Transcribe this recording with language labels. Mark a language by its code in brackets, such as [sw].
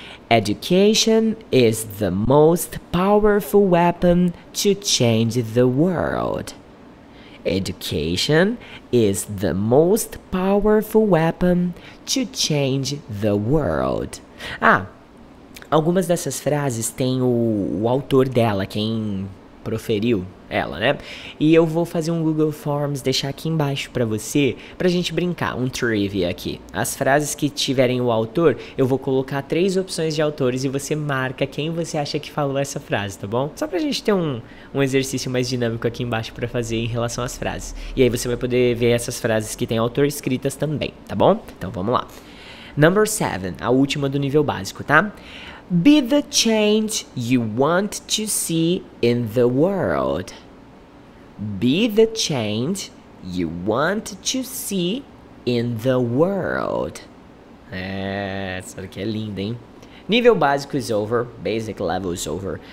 [en] Education is the most powerful weapon to change the world. Education is the most powerful weapon to change the world. [pt] Ah, algumas dessas frases têm o autor dela, quem proferiu ela, né? E eu vou fazer um Google Forms, deixar aqui embaixo para você, pra gente brincar, um trivia aqui. As frases que tiverem o autor, eu vou colocar três opções de autores e você marca quem você acha que falou essa frase, tá bom? Só pra gente ter um exercício mais dinâmico aqui embaixo para fazer em relação às frases. E aí você vai poder ver essas frases que têm autor escritas também, tá bom? Então vamos lá. [en] Number 7, [pt] a última do nível básico, tá? [en] Be the change you want to see in the world. Be the change you want to see in the world. [pt] Essa aqui é linda, hein? Nível básico [en] is over, basic level is over.